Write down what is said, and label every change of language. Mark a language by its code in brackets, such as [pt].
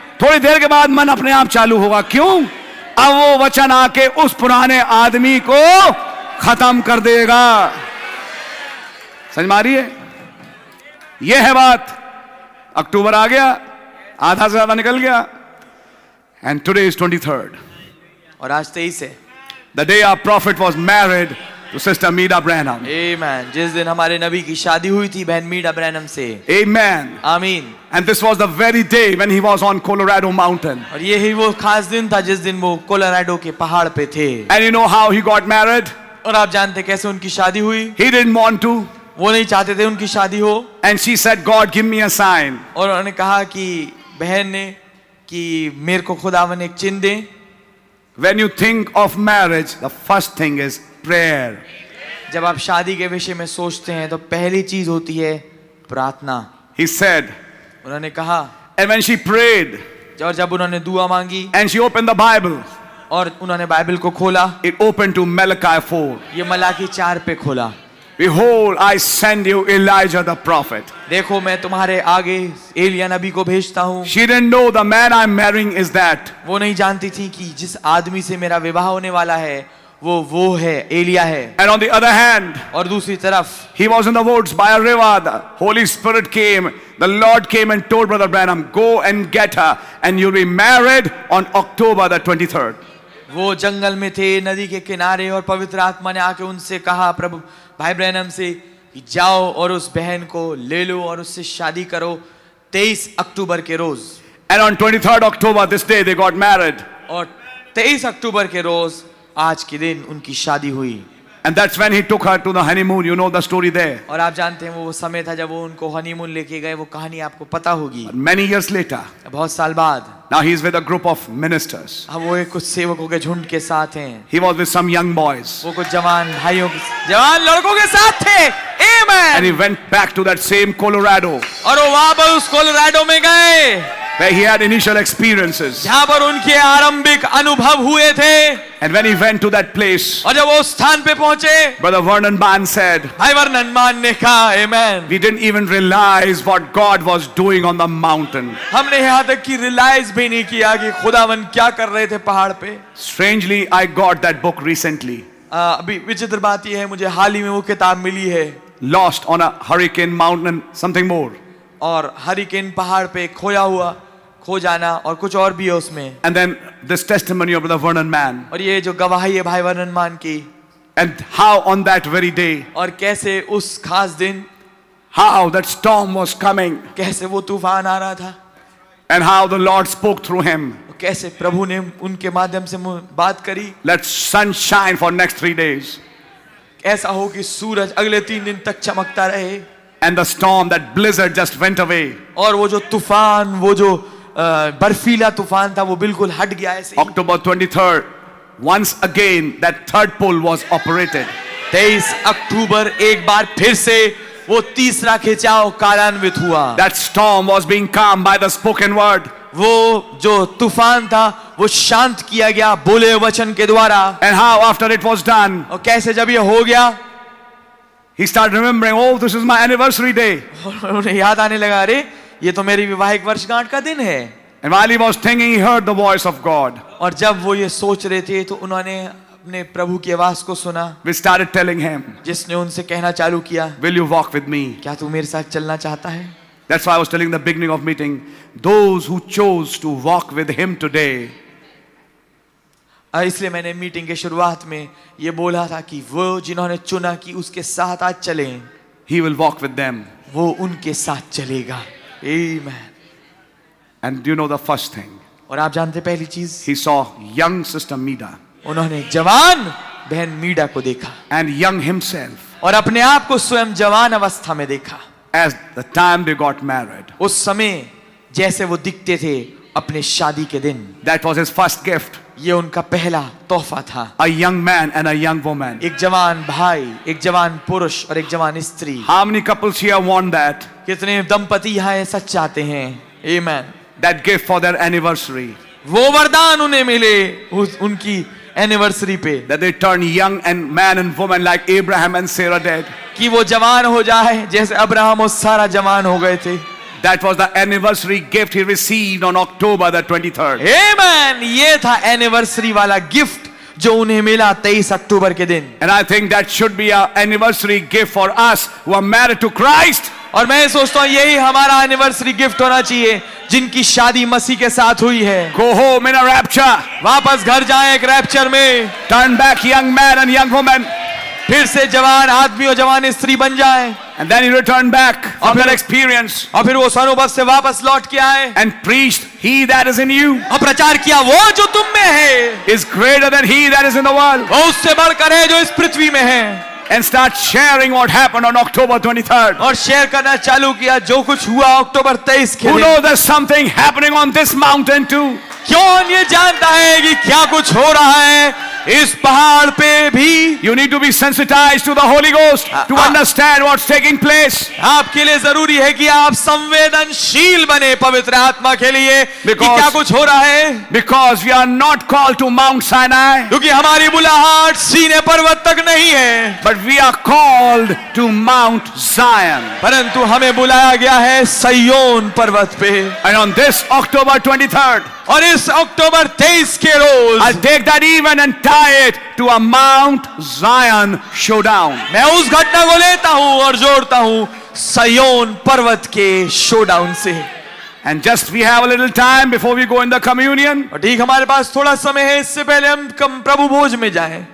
[hi] थोड़ी देर के बाद मन अपने आप चालू होगा। क्यों? अब वो वचन आके उस पुराने आदमी को खत्म कर देगा। समझ मारी है? ये है बात। अक्टूबर आ गया, आधा से ज्यादा निकल गया, [en] and today is 23rd, [hi] और आज 23 है, [en] The day our prophet was married to sister मीडा ब्रैनम। [hi] आमीन। जिस दिन हमारे नबी की शादी हुई थी बहन मीडा ब्रैनम से। आमीन। आमीन। [en] And this was the very day when he was on Colorado Mountain. [hi] और ये ही वो खास दिन था जिस दिन वो कोलोराडो के पहाड़ पे थे। [en] And you know how he got married? [hi] और आप जानते कैसे उनकी शादी हुई? [en] He didn't want to. [hi] वो नहीं चाहते थे उनकी शादी हो। [en] And she said, God, give me a sign. [hi] और उन्होंने कहा कि बहन ने कि मेरे को खुदावन एक चिन्ह दे। [en] When you think of marriage, the first thing is prayer. [hi] जब आप शादी के विषय में सोचते हैं तो पहली चीज होती है प्रार्थना। [en] He said. [hi] उन्होंने कहा। [en] And when she prayed, [hi] जब उन्होंने दुआ मांगी, [en] and she opened the Bible, [hi] और उन्होंने बाइबल को खोला, [en] it opened to Malachi 4, [hi] ये मलाकी 4 पे खोला। [en] Behold, I send you Elijah the prophet. [hi] देखो मैं तुम्हारे आगे एलिया नबी को भेजता हूँ। [en] She didn't know the man I'm marrying is that. [hi] वो नहीं जानती थी कि जिस आदमी से मेरा विवाह होने वाला है वो है एलिया है। [en] And on the other hand, [hi] और दूसरी तरफ, [en] he was in the woods by a river. The Holy Spirit came. The Lord came and told Brother Branham, go and get her, and you'll be married on October the 23rd. [hi] वो जंगल में थे नदी के किनारे, और पवित्र आत्मा ने आके उनसे कहा प्रभु भाई ब्रैनम से कि जाओ और उस बहन को ले लो और उससे शादी करो 23 अक्टूबर के रोज। [en] And on 23rd October this day they got married. [hi] और 23 अक्टूबर के रोज आज के दिन उनकी शादी हुई। [en] And that's when he took her to the honeymoon. You know the story there. [hi] और आप जानते हैं वो समय था जब वो उनको हनीमून लेके गए, वो कहानी आपको पता होगी। [en] Many years later. [hi] बहुत साल बाद। [en] Now he is with a group of ministers. [hi] अब वो एक कुछ सेवकों के झुंड के साथ हैं। [en] He was with some young boys. [hi] वो कुछ जवान भाइयों के, जवान लड़कों के साथ थे। [en] Amen. And he went back to that same Colorado. [hi] और वो वहाँ पर उस कोलोराडो में गए। [en] Where he had initial experiences. [hi] जहाँ पर उनके आरंभिक अनुभव हुए थे। [en] And when he went to that place. [hi] और जब वो स्थान पे पहुँचे। [en] Brother Vernon Mann said. [hi] भाई वर्नन मान ने कहा, Amen. [en] We didn't even realize what God was doing on the mountain. [hi] हमने यहाँ तक कि realize भी नहीं किया कि खुदावन क्या कर रहे थे पहाड़ पे। [en] Strangely, I got that book recently. [hi] अभी विचित्र बात ये है, मुझे हाल ही में वो किताब मिली है। [en] Lost on a hurricane mountain, something more. [hi] और हरिकेन पहाड़ पे खोया हुआ, खो जाना और कुछ और भी है उसमें। [en] And then this testimony of the Vernon Mann. [hi] और ये जो गवाही है भाई वर्नन मान की। [en] And how on that very day. [hi] और कैसे उस खास दिन। [en] How that storm was coming. [hi] कैसे वो तूफान आ रहा था। [en] and how the Lord spoke through him. [hi] कैसे प्रभु ने उनके माध्यम से बात करी. [en] Let sun shine for next 3 days. [hi] ऐसा हो कि सूरज अगले 3 दिन तक चमकता रहे. [en] And the storm, that blizzard, just went away. [hi] और वो जो तूफान, वो जो बर्फीला तूफान था, वो बिल्कुल हट गया ऐसे. [en] October 23rd, once again that third pole was operated. [hi] 23 अक्टूबर एक बार फिर से वो तीसरा खिंचाव कार्यान्वित हुआ. [en] That storm was being calmed by the spoken word. [hi] वो जो तूफान था वो शांत किया गया बोले वचन के द्वारा. [en] And how after it was done? [hi] और कैसे जब ये हो गया? [en] He started remembering, oh, this is my anniversary day. [hi] और उन्हें याद आने लगा, अरे ये तो मेरी विवाहिक वर्षगांठ का दिन है. [en] And while he was thinking, he heard the voice of God. [hi] और जब वो ये सोच रहे थे तो उन्होंने अपने प्रभु की आवाज को सुना. [en] We started telling him. [hi] जिसने उनसे कहना चालू किया. [en] Will you walk with me? [hi] क्या तू मेरे साथ चलना चाहता है? [en] That's why I was telling in the beginning of meeting, those who chose to walk with him today. [hi] इसलिए मैंने मीटिंग के शुरुआत में ये बोला था कि वो जिन्होंने चुना कि उसके साथ आज चलें. [en] He will walk with them. [hi] वो उनके साथ चलेगा. Amen. [en] And do you know the first thing? [hi] और आप जानते पहली चीज? [en] He saw young sister Meeda. [hi] उन्होंने जवान बहन मीडा को देखा. [en] And young himself. [hi] और अपने आप को स्वयं जवान अवस्था में देखा. [en] As the time they got married. [hi] उस समय जैसे वो दिखते थे अपने शादी के दिन. [en] That was his first gift. [hi] ये उनका पहला तोहफा था. [en] A young man and a young woman. [hi] एक जवान भाई, एक जवान पुरुष और एक जवान स्त्री. [en] How many couples here want that? [hi] कितने दंपति यहाँ ऐसा चाहते हैं? [en] Amen. That gift for their anniversary. [hi] वो वरदान उन्हें मिले उनकी एनिवर्सरी पे. [en] That they turn young and man and woman like Abraham and Sarah did. [hi] कि वो जवान हो जाए जैसे अब्राहम और सारा जवान हो गए थे. [en] That was the anniversary gift he received on October the 23rd. Amen. [hi] ये था एनिवर्सरी वाला गिफ्ट जो उन्हें मिला 23 अक्टूबर के दिन. [en] And I think that should be our anniversary gift for us who are married to Christ. [hi] और मैं सोचता हूँ यही हमारा एनिवर्सरी गिफ्ट होना चाहिए जिनकी शादी मसीह के साथ हुई है. [en] Go home in a rapture. [hi] वापस घर जाए एक रैप्चर में. [en] Turn back young man and young woman. [hi] फिर से जवान आदमी और जवान स्त्री बन जाए. [en] And then he returned back from that experience. [hi] और फिर वो अनुभव से वापस लौट के आए. [en] And preached, he that is in you. [hi] और प्रचार किया वो जो तुम में है. [en] Is greater than he that is in the world. [hi] वो उससे बढ़कर है जो इस पृथ्वी में है. [en] And start sharing what happened on October 23rd. [hi] और शेयर करना चालू किया जो कुछ हुआ अक्टूबर 23 के. [en] Who knows there's something happening on this mountain too? [hi] क्यों ये जानता है कि क्या कुछ हो रहा है इस पहाड़ पे भी. [en] You need to be sensitized to the Holy Ghost to understand what's taking place. [hi] आपके लिए जरूरी है कि आप संवेदनशील बने पवित्र आत्मा के लिए कि क्या कुछ हो रहा है. [en] Because we are not called to Mount Sinai. [hi] क्योंकि हमारी बुलाहट सीने पर्वत तक नहीं है. [en] But we are called to Mount Zion. [hi] परंतु हमें बुलाया गया है सय्योन पर्वत पे. [en] And on this October 23rd. [hi] और इस अक्टूबर 23 के रोज. [en] I'll take that even and tie it to a Mount Zion showdown. [hi] मैं उस घटना को लेता हूं और जोड़ता हूं सय्योन पर्वत के शोडाउन से. [en] And just we have a little time before we go in the communion. [hi] ठीक हमारे पास थोड़ा समय है इससे पहले हम कम प्रभु भोज में जाएं.